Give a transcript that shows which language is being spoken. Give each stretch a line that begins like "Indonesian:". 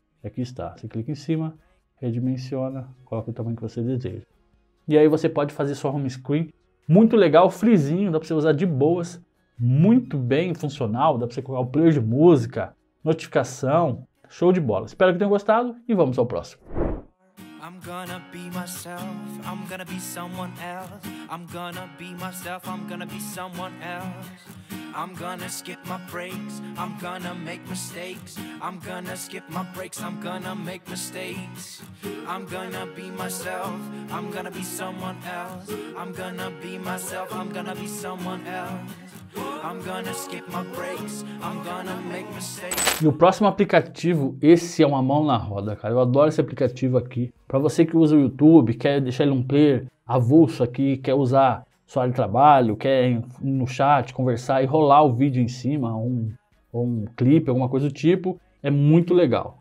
Portuguese: E aqui está, você clica em cima, redimensiona, coloca o tamanho que você deseja. E aí você pode fazer sua home screen, muito legal, freezinho, dá para você usar de boas, muito bem funcional, dá para você colocar o player de música, notificação, show de bola. Espero que tenham gostado e vamos ao próximo.
English: I'm gonna be myself, I'm gonna be someone else. I'm gonna be myself, I'm gonna be someone else. I'm gonna skip my breaks, I'm gonna make mistakes. I'm gonna skip my breaks, I'm gonna make mistakes. I'm gonna be myself, I'm gonna be someone else. I'm gonna be myself, I'm gonna be someone else. I'm gonna skip my breaks, I'm gonna make mistakes.
Portuguese: E o próximo aplicativo, esse é uma mão na roda, cara. Eu adoro esse aplicativo aqui. Para você que usa o YouTube, quer deixar ele um player avulso aqui, quer usar sua área de trabalho, quer ir no chat, conversar e rolar o vídeo em cima, ou um clipe, alguma coisa do tipo, é muito legal.